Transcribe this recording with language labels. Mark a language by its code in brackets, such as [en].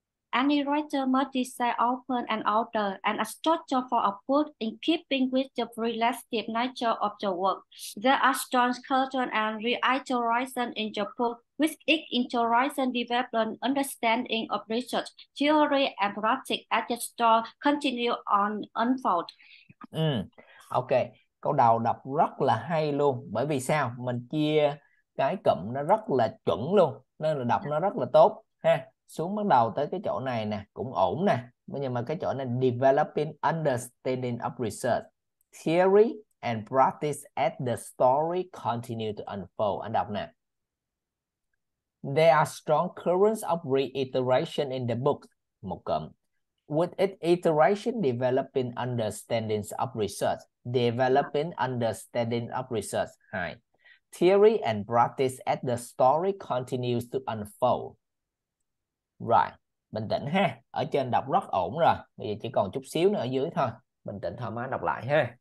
[en] Any writer must decide upon an order and a structure for a book in keeping with the relative nature of the work. There are strong curtain and reiteration in the book, with each iteration developing understanding of research, theory and practice as the story continue on unfold. [vi] Ok, câu đầu đọc rất là hay luôn. Bởi vì sao? Mình chia cái cụm nó rất là chuẩn luôn, nên là đọc nó rất là tốt ha. Xuống bắt đầu tới cái chỗ này nè, cũng ổn nè. Nhưng mà cái chỗ này, [en] developing understanding of research, theory and practice as the story continue to unfold. [vi] Anh đọc nè. [en] There are strong currents of reiteration in the book. [vi] Một cụm. [en] With its iteration, developing understandings of research. Developing understanding of research. Hai. Theory and practice as the story continues to unfold. [vi] Right, bình tĩnh ha. Ở trên đọc rất ổn rồi. Bây giờ chỉ còn chút xíu nữa ở dưới thôi. Bình tĩnh thoải mái đọc lại ha.